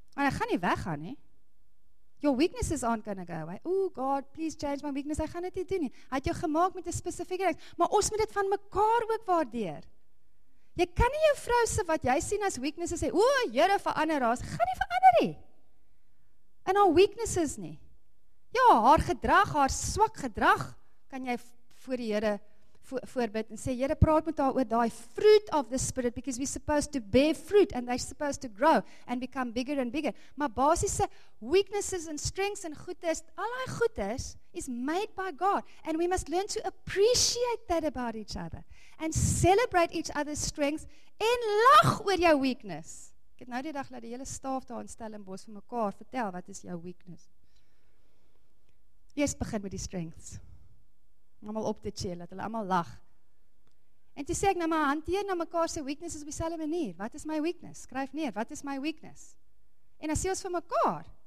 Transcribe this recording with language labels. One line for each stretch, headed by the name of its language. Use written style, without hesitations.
Afrikaans: En hy gaan nie weggaan nie.
English: Your weaknesses aren't going to go away. Oh God, please change my weakness.
Afrikaans: Hy gaan dit nie doen nie. Hy het jou gemaak met 'n spesifieke ding. Maar ons moet dit van mekaar ook waardeer. Jy kan nie jou vrou se wat jy sien as weaknesses sê, o, Here, verander haar. Gaan nie verander nie. In haar weaknesses nie. Ja, haar gedrag, haar swak gedrag, kan jy voor die Here voorbid en sê, Here, praat met haar oor daai
English: fruit of the spirit, because we're supposed to bear fruit, and they're supposed to grow, and become bigger and bigger.
Afrikaans: Maar basiese
English: weaknesses and strengths and goedes,
Afrikaans: al die goedes,
English: is made by God, and we must learn to appreciate that about each other, and celebrate each other's strengths,
Afrikaans: en lach oor jou
English: weakness.
Afrikaans: Ek het nou die dag laat die hele staaf daar in Stellenbosch vir mekaar vertel, wat is jou weakness? Eers begin met die strengths. allemaal op te chillen, dat hulle allemaal lag. En toe sê ek, nou maar hanteer na mekaar se weaknesses op dieselfde manier. Wat is my weakness? Skryf neer, wat is my weakness? En dan sê ons vir mekaar.